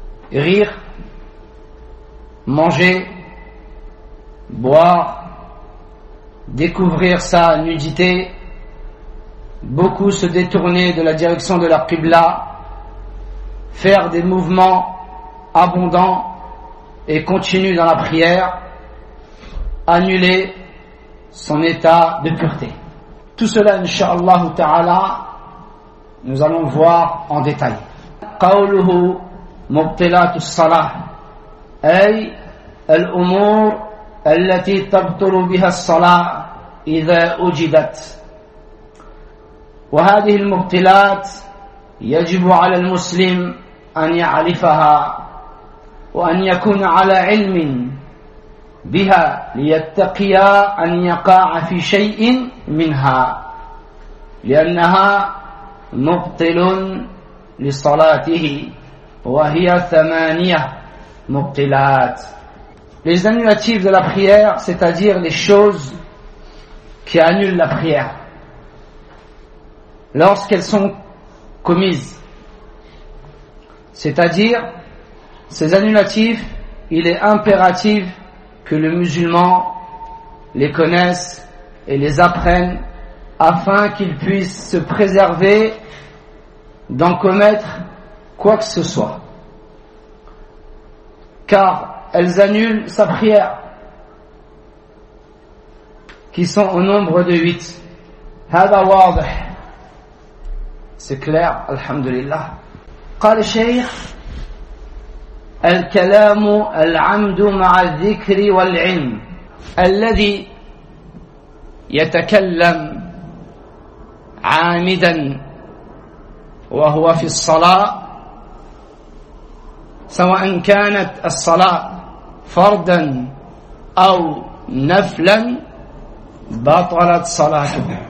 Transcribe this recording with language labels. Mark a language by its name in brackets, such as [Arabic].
[French] Rire, manger, boire, découvrir sa nudité, beaucoup se détourner de la direction de la Qibla, faire des mouvements abondants et continue dans la prière, annuler son état de pureté. Tout cela, inshallah ta'ala, nous allons voir en détail. [Arabic] قوله مبطلات الصلاة أي الأمور التي تبطل بها الصلاة إذا أجدت. وهذه المبطلات يجب على المسلم أن يعرفها وأن يكون على علم بها ليتقي أن يقع في شيء منها، لأنها مبطل لصلاته وهي ثمانية مبطلات. [French] Les annulatives de la prière, c'est-à-dire les choses qui annulent la prière lorsqu'elles sont commises. C'est-à-dire, ces annulatifs, il est impératif que le musulman les connaisse et les apprenne afin qu'il puisse se préserver d'en commettre quoi que ce soit. Car elles annulent sa prière, qui sont au nombre de 8. [Arabic] Hada wadih. [French] C'est clair, alhamdulillah. [Arabic] قال الشيخ الكلام العمد مع الذكر والعلم الذي يتكلم عامدا وهو في الصلاة سواء كانت الصلاة فردا أو نفلا بطلت صلاته.